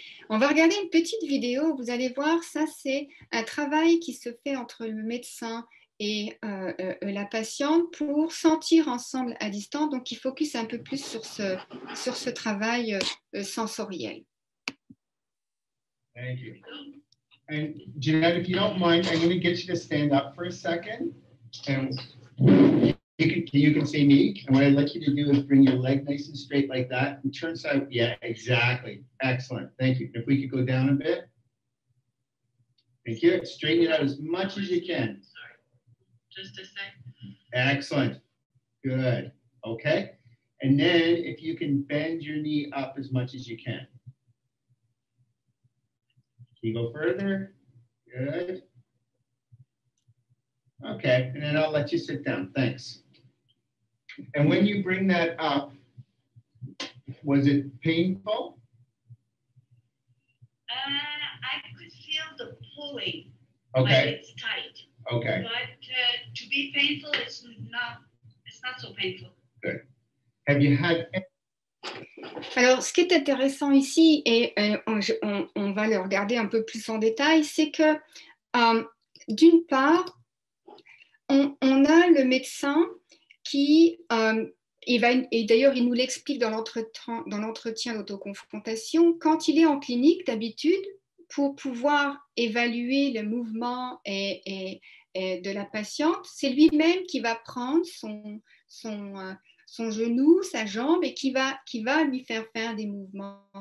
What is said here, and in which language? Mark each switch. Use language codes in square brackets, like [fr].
[fr] On va regarder une petite vidéo, vous allez voir, ça c'est un travail qui se fait entre le médecin et la patiente pour sentir ensemble à distance, donc il focus un peu plus sur ce travail sensoriel. [en] Thank you. And Jeanette, if you don't mind, I'm going to get you to stand up for a second. And you can see me. And what I'd like you to do is bring your leg nice and straight like that. And turn side. Yeah, exactly. Excellent. Thank you. If we could go down a bit. Thank you. Straighten it out as much as you can. Sorry. Just a sec. Excellent. Good. Okay. And then if you can bend your knee up as much as you can. Can you go further? Good. Okay, and then I'll let you sit down. Thanks. And when you bring that up, was it painful? I could feel the pulling. Okay. But it's tight. Okay. But to be painful, it's not so painful. Good. Have you had any? [fr] Alors, ce qui est intéressant ici, et on va le regarder un peu plus en détail, c'est que d'une part, on a le médecin qui, et d'ailleurs il nous l'explique dans l'entretien d'autoconfrontation, quand il est en clinique d'habitude, pour pouvoir évaluer le mouvement et de la patiente, c'est lui-même qui va prendre son genou, sa jambe, et qui va lui faire des mouvements.